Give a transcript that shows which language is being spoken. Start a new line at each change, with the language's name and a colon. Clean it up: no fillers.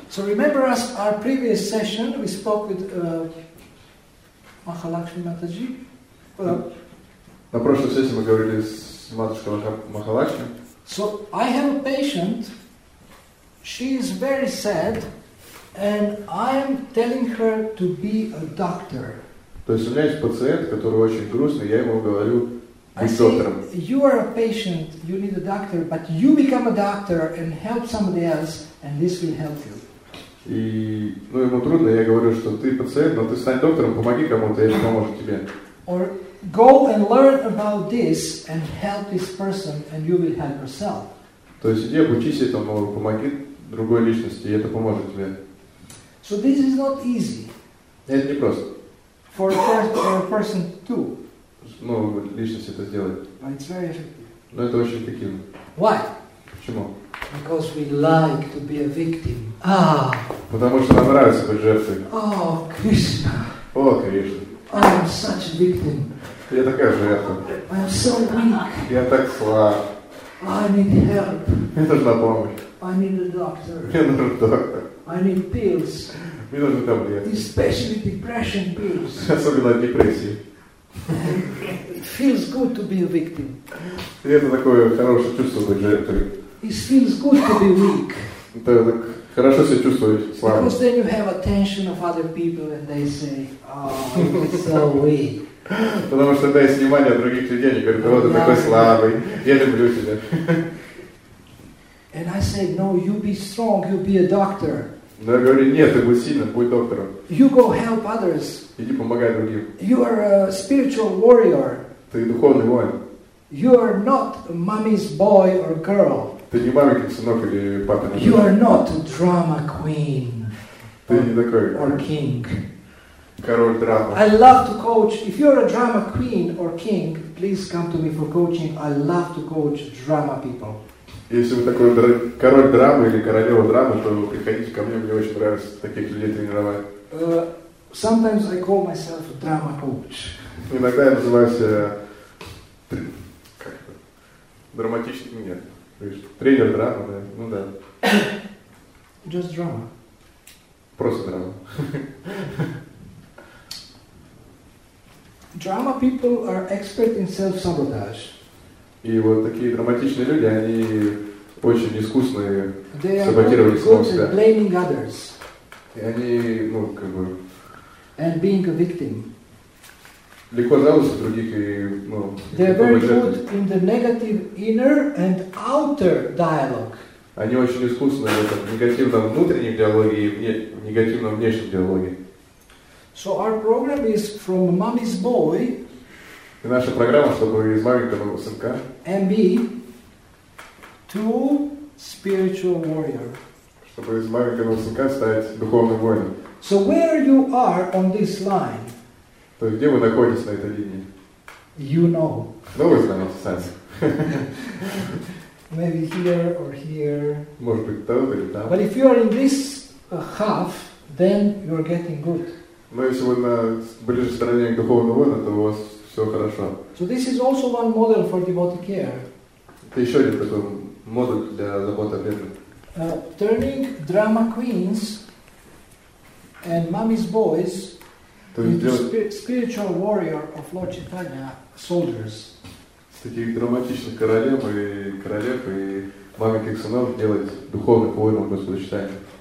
English: So remember us our previous session, we spoke with Mahalakshmi Mataji.
Russian: На прошлой сессии мы говорили с матушкой Махалакшми.
English: So I have a patient. She is very sad, and I am telling her to be a doctor.
Russian: То есть у меня есть пациент, который очень грустный. Я ему говорю быть доктором.
English: You are a patient. You need a doctor, but you become a doctor and help somebody else, and this will help you.
Russian: И, ну, ему трудно. Я говорю, что ты пациент, но ты стань доктором, помоги кому-то, и это поможет тебе.
English: Or go and learn about this and help this person, and you will help yourself.
Russian: То есть иди обучись этому, помоги другой личности, и это поможет тебе.
English: So this is not easy.
Russian: Это не просто.
English: For a person too.
Russian: Ну, личность это сделает.
English: But it's very effective.
Russian: Но это очень эффективно.
English: Why?
Russian: Почему?
English: Because we like to be a victim. Ah.
Russian: Потому что нам нравится быть жертвой.
English: Oh, Krishna.
Russian: О, Кришна.
English: I am such a victim.
Russian: Я такая жертва.
English: I am so weak.
Russian: Я так слаб.
English: I need help.
Russian: Мне нужна помощь.
English: I need a doctor.
Russian: Мне нужен доктор.
English: I need pills.
Russian: Мне нужны таблетки.
English: Especially depression pills.
Russian: Особенно от депрессии.
English: It feels good to be a victim.
Russian: И это такое хорошее чувство быть жертвой.
English: It feels good to be weak.
Russian: Это так хорошо себя чувствовать слабым.
English: Because then you have attention of other people and they say, oh, it's so weak.
Russian: Потому что тогда есть внимание других людей, они говорят, вот ты такой слабый, я люблю тебя.
English: And I say, no, you be strong, you be a doctor.
Russian: Но я говорю, нет, ты будь сильным, будь доктором.
English: You go help others.
Russian: Иди помогай другим.
English: You are a spiritual warrior.
Russian: Ты духовный воин.
English: You are not a mommy's boy or girl.
Russian: Ты не маленький сынок или папа.
English: You are not a drama queen.
Russian: Ты не такой.
English: Or king.
Russian: Король драмы.
English: I love to coach. If you're a drama queen or king, please come to me for coaching. I love to coach drama people.
Russian: Если вы такой король драмы или королева драмы, то приходите ко мне. Мне очень нравится таких людей тренировать.
English: Sometimes I call myself a drama coach.
Russian: Иногда я называюсь как это? Драматичный, нет. Тренер драмы, да. Ну да.
English: Just drama.
Russian: Просто драма.
English: Drama people are expert in self-sabotage.
Russian: И вот такие драматичные люди, они очень искусные саботировали самого себя.
English: Blaming others.
Russian: И они, ну, как бы...
English: And being a victim.
Russian: Легко жалуются других и, ну,
English: they're very good in the negative inner and outer dialogue.
Russian: Они очень искусны в этом негативном внутреннем диалоге и в негативном внешнем диалоге.
English: So our program is from mommy's boy.
Russian: И наша программа, чтобы из маленького сынка.
English: MB to spiritual warrior.
Russian: Чтобы из маленького сынка стать духовным воином.
English: So where you are on this line?
Russian: То есть где вы находитесь на этой линии?
English: You know.
Russian: Ну вы знаете, сами.
English: Maybe here or here.
Russian: Может быть, там или там.
English: But if you are in this half, then you are getting good.
Russian: Но если вы на ближе стороне к духовному войну, то у вас все хорошо.
English: So this is also one model for devotee care.
Russian: Это еще один такой модуль для заботы о бедных.
English: Turning drama queens and mummy's boys into spiritual warrior of Lord Chaitanya soldiers.
Russian: Таких драматичных королев и королев и маленьких сынов делать духовных воинов Господа Чайтаньи.